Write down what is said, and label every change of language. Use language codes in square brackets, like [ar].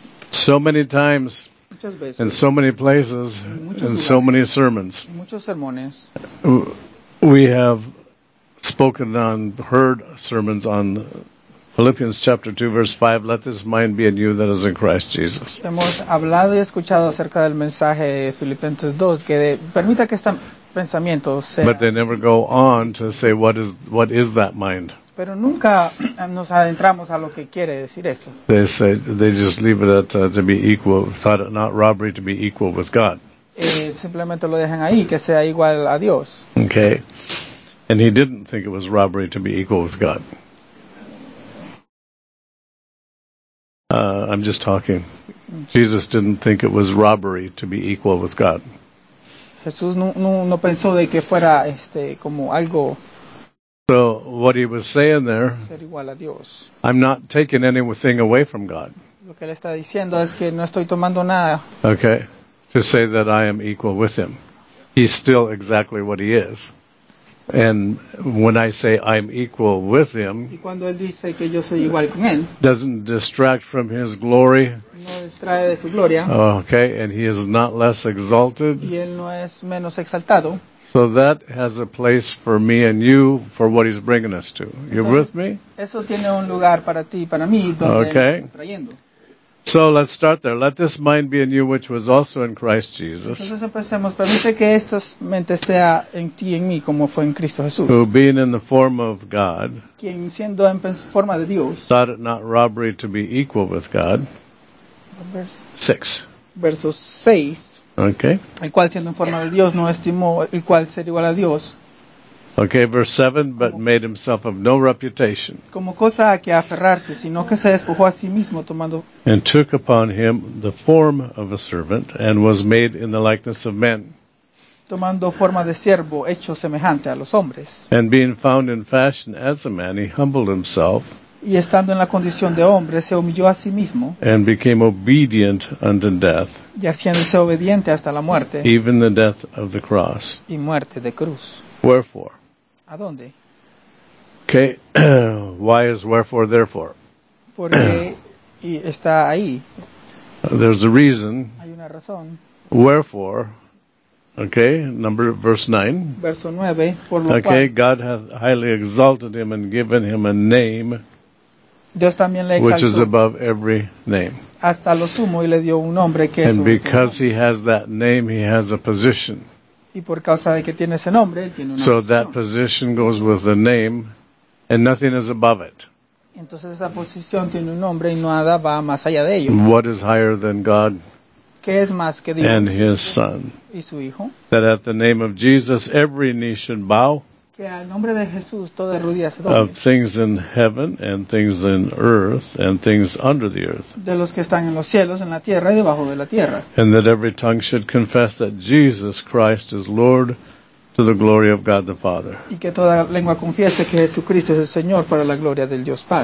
[en] So many times, [es] muchas veces, [en] in so many places, in so many sermons, [es] muchos sermones, [en] we have spoken on, heard sermons on Philippians chapter 2, verse 5, let this mind be in you that is in Christ Jesus. [es] Hemos hablado y escuchado acerca del mensaje de Filipenses 2, que permita que esta pensamiento sea. [en] But they never go on to say what is that mind. [es] Pero nunca nos adentramos a lo que quiere decir eso. [en] They say, they just leave it at to be equal, thought it not robbery to be equal with God. [es] Simplemente lo dejan ahí, que sea igual a Dios. [en] Okay. And he didn't think it was robbery to be equal with God. I'm just talking. Jesus didn't think it was robbery to be equal with God. [es] Jesús no pensó de que fuera como algo. [en] So what he was saying there, I'm not taking anything away from God. [es] Lo que él está diciendo es que no estoy tomando nada. [en] Okay, to say that I am equal with Him, He's still exactly what He is. And when I say I'm equal with Him, [es] y cuando él dice que yo soy igual con él, [en] doesn't distract from His glory. [es] No distrae de su gloria. [en] Okay, and He is not less exalted. [es] Y él no es menos exaltado. [en] So that has a place for me and you for what He's bringing us to. You with me? [es] Eso tiene un lugar para ti y para mí donde [en] okay. [es] Él está trayendo. [en] So let's start there. Let this mind be in you which was also in Christ Jesus. [es] Entonces empecemos. Permite que esta mente sea en ti y en mí como fue en Cristo Jesús. [en] Who being in the form of God, [es] quien siendo en forma de Dios, [en] thought it not robbery to be equal with God. [es] Verso 6. [en] Okay. [es] El cual siendo en forma de Dios no estimó el cual ser igual a Dios. [en] Okay, verse 7, but made himself of no reputation. [es] Como cosa a que aferrarse, sino que se despojó a sí mismo tomando. [en] And took upon him the form of a servant and was made in the likeness of men. [es] tomando forma de siervo, hecho semejante a los hombres. [en] And being found in fashion as a man, he humbled himself. [es] Y estando en la condición de hombre, se humilló a sí mismo. [en] And became obedient unto death. [es] Y haciéndose obediente hasta la muerte. [en] Even the death of the cross. [es] Y muerte de cruz. [en] Wherefore? [es] ¿A dónde? [en] Okay. Why is wherefore therefore? [es] Porque y está ahí. [en] There's a reason. [es] Hay una razón. [en] Wherefore? Okay, number verse 9. [es] Verso 9, por lo [en] okay, [es] cual, [en] God hath highly exalted him and given him a name, [es] Dios también le exaltó, [en] which is above every name. [es] Hasta lo sumo y le dio un nombre que [en] and [es] es [en] because he has that name, he has a position. [es] Y por causa de que tiene ese nombre, él tiene una [en] so that position goes with the name, and nothing is above it. [es] Entonces esa posición tiene un nombre y nada va más allá de ello. [en] What is higher than God? [es] ¿Qué es más que Dios? [en] And his son. [es] ¿Y su hijo? [en] That at the name of Jesus every knee should bow. [es] Que al nombre de Jesús toda rodilla se doble. [en] Of things in heaven and things in earth and things under the earth. [es] De los que están en los cielos, en la tierra y debajo de la tierra. [en] And that every tongue should confess that Jesus Christ is Lord to the glory of God the Father. [es] Y que toda lengua confiese que Jesucristo es el Señor para la gloria del Dios Padre.